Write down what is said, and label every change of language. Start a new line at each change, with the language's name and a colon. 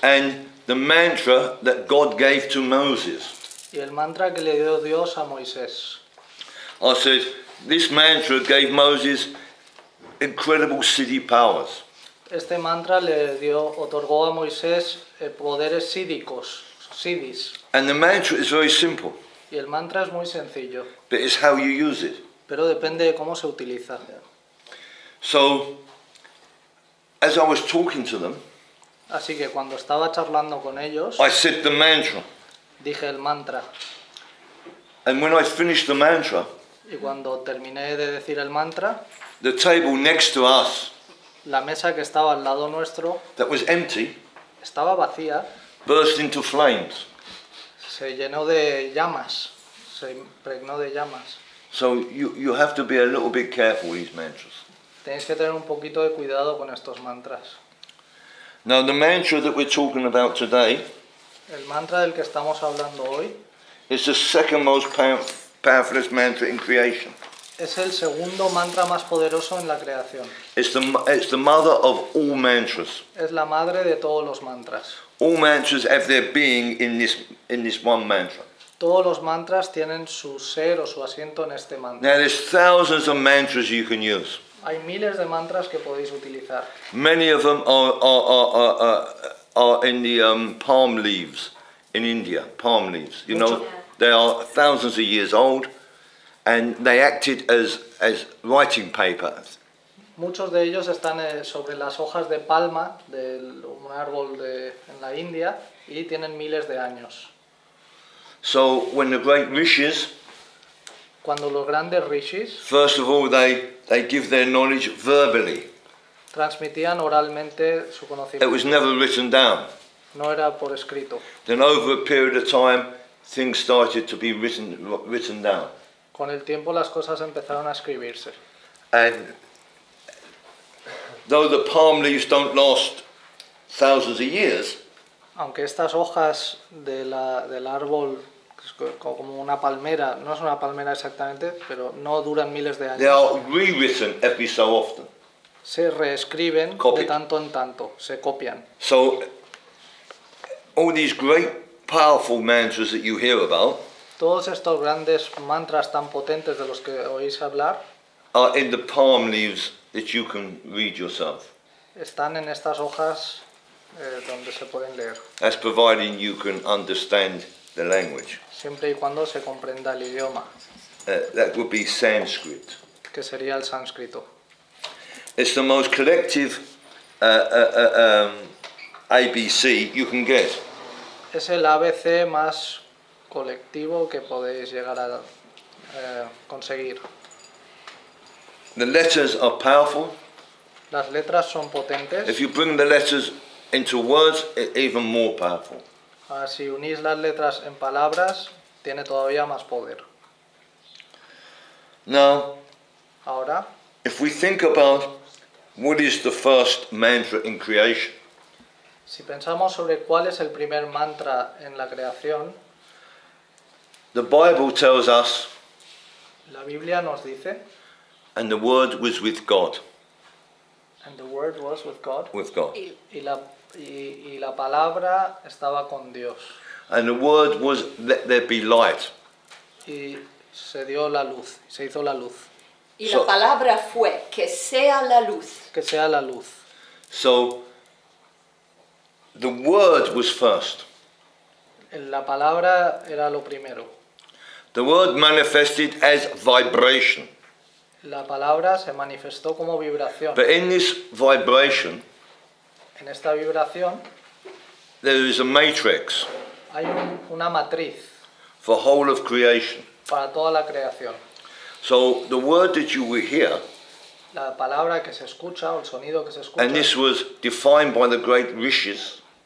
English: And the mantra that God gave to Moses.
Spanish: Y el mantra que le dio Dios a Moisés.
English: I said, this mantra gave Moses incredible city powers.
Spanish: Este mantra le dio, otorgó a Moisés poderes sídicos, sidis.
English: And the mantra is very simple.
Spanish: Y el mantra es muy sencillo.
English: But it's how you use it.
Spanish: Pero depende de cómo se utiliza.
English: So, as I was talking to them,
Spanish: así que cuando estaba charlando con ellos,
English: I said the mantra.
Spanish: Dije el mantra.
English: And when I finished the mantra,
Spanish: y cuando terminé de decir el mantra,
English: the table next to us,
Spanish: la mesa que estaba al lado nuestro,
English: that was empty,
Spanish: estaba vacía,
English: burst into flames.
Spanish: Se llenó de llamas, se impregnó de llamas.
English: So you have to be a little bit careful with these mantras.
Spanish: Tienes que tener un poquito de cuidado con estos mantras.
English: Now, the mantra that we're talking about today,
Spanish: el mantra del que estamos hablando hoy,
English: is the second most powerful mantra in creation.
Spanish: Es el segundo mantra más poderoso en la creación.
English: It's the mother of all mantras.
Spanish: Es la madre de todos los mantras.
English: All mantras have their being in this one mantra.
Spanish: Todos los mantras tienen su ser o su asiento en este mantra.
English: Now, there's thousands of mantras you can use.
Spanish: Hay miles de mantras que podéis utilizar.
English: Many of them are in the palm leaves in India. Palm leaves, you know, they are thousands of years old, and they acted as writing paper.
Spanish: Muchos de ellos están sobre las hojas de palma de un árbol en la India y tienen miles de años.
English: So when the great rishis,
Spanish: cuando los grandes rishis,
English: first of all, they give their knowledge verbally.
Spanish: Transmitían oralmente su conocimiento.
English: It was never written down.
Spanish: No era por escrito.
English: Then over a period of time, things started to be written down.
Spanish: con el tiempo las cosas empezaron a escribirse.
English: And though the palm leaves don't last thousands of years,
Spanish: aunque estas hojas de la, del árbol, como una palmera, no es una palmera exactamente, pero no duran miles de años.
English: They are rewritten every so often.
Spanish: Se reescriben de tanto en tanto, se copian.
English: So, all these great, powerful mantras that you hear about,
Spanish: todos estos grandes mantras tan potentes de los que oís hablar,
English: are in the palm leaves that you can read yourself.
Spanish: Están en estas hojas donde se pueden leer.
English: As providing you can understand the language.
Spanish: Siempre y cuando se comprenda el idioma.
English: That would be Sanskrit.
Spanish: Que sería el sánscrito.
English: It's the most collective ABC you can get.
Spanish: Es el ABC más colectivo que podéis llegar a conseguir.
English: The letters are powerful.
Spanish: Las letras son potentes.
English: If you bring the letters into words, it's even more powerful.
Spanish: Si unís las letras en palabras, tiene todavía más poder.
English: Now,
Spanish: ahora,
English: if we think about what is the first mantra in creation,
Spanish: si pensamos sobre cuál es el primer mantra en la creación,
English: the Bible tells us,
Spanish: la Biblia nos dice,
English: and the Word was with God. And the Word was with God. With God.
Spanish: Y la palabra estaba con Dios.
English: And the word was, let there be light.
Spanish: Y se dio la luz, se hizo la luz. Y so, la palabra fue, que sea la luz. Que sea la luz.
English: So, the word was first.
Spanish: La palabra era lo primero.
English: The word manifested as vibration.
Spanish: La palabra se manifestó como vibración.
English: But in this vibration,
Spanish: en esta vibración,
English: there is a matrix.
Spanish: Hay una matriz.
English: For whole of creation.
Spanish: Para toda la creación.
English: So the word that you will hear,
Spanish: la palabra que se escucha, o el sonido que se escucha,
English: and this was defined by the great rishis,